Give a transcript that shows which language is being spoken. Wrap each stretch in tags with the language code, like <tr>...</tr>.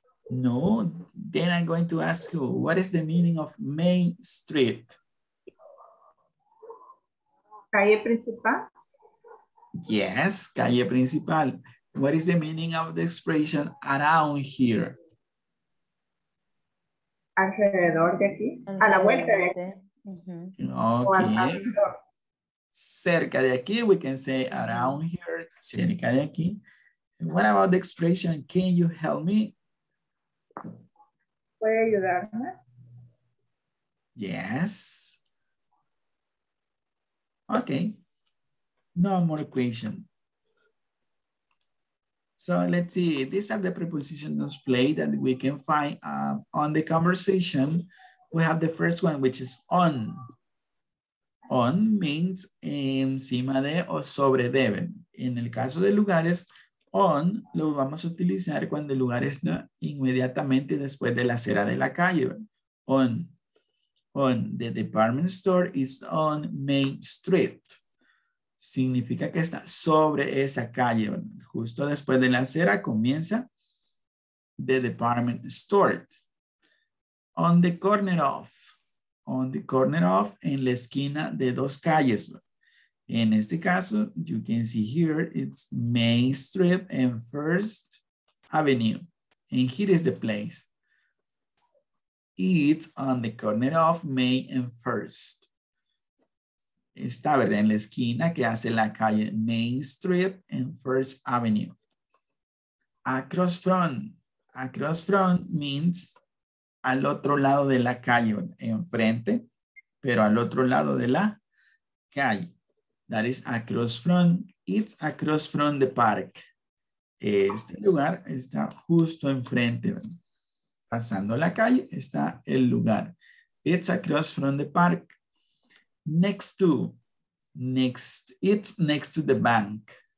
<en>No, then I'm going to ask you, what is the meaning of Main Street?</en> <es>Calle Principal? Yes, Calle Principal.</es> <en>What is the meaning of the expression around here?</en> <es>Alrededor de aquí, a la vuelta de aquí.</es> <en>Mm-hmm. Okay.</en> <es>Cerca de aquí,</es> <en>we can say around here,</en> <es>cerca de aquí.</es> <en>What about the expression, can you help me?</en> <es>¿Puede ayudarme?</es> <en>Yes. Okay. No more question. So let's see, these are the prepositions displayed that we can find on the conversation. We have the first one, which is on. On means</en> <es>encima de o sobre deben. En el caso de lugares, on lo vamos a utilizar cuando el lugar está inmediatamente después de la acera de la calle.</es> <en>On, the department store is on Main Street.</en> <es>Significa que está sobre esa calle. Justo después de la acera comienza</es> <en>the department store. On the corner of,</en> <es>en la esquina de dos calles. En este caso,</es> <en>you can see here, it's Main Street and First Avenue, and here is the place. It's on the corner of May and First.</en> <es>Está en la esquina que hace la calle Main Street and First Avenue.</es> <en>Across from means</en> <es>al otro lado de la calle, enfrente, pero al otro lado de la calle.</es> <en>That is across from, it's across from the park.</en> <es>Este lugar está justo enfrente. Pasando la calle está el lugar.</es> <en>It's across from the park. Next to, next, it's next to the bank.</en>